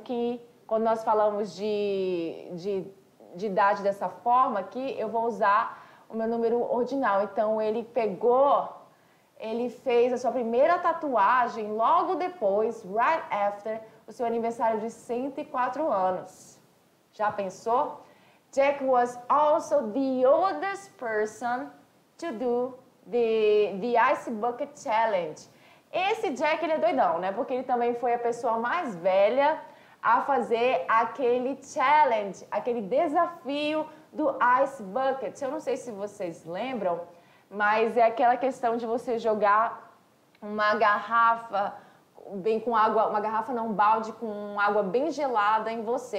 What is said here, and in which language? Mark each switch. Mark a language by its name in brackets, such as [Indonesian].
[Portuguese] Que quando nós falamos de idade dessa forma aqui, eu vou usar o meu número ordinal. Então ele pegou, ele fez a sua primeira tatuagem logo depois, [English] right after, [Portuguese] o seu aniversário de 104 anos. Já pensou? [English] Jack was also the oldest person to do the Ice Bucket Challenge. [Portuguese] Esse Jack, ele é doidão, né? Porque ele também foi a pessoa mais velha a fazer aquele challenge, aquele desafio do Ice Bucket. Eu não sei se vocês lembram, mas é aquela questão de você jogar uma garrafa bem com água, uma garrafa não, um balde com água bem gelada em você.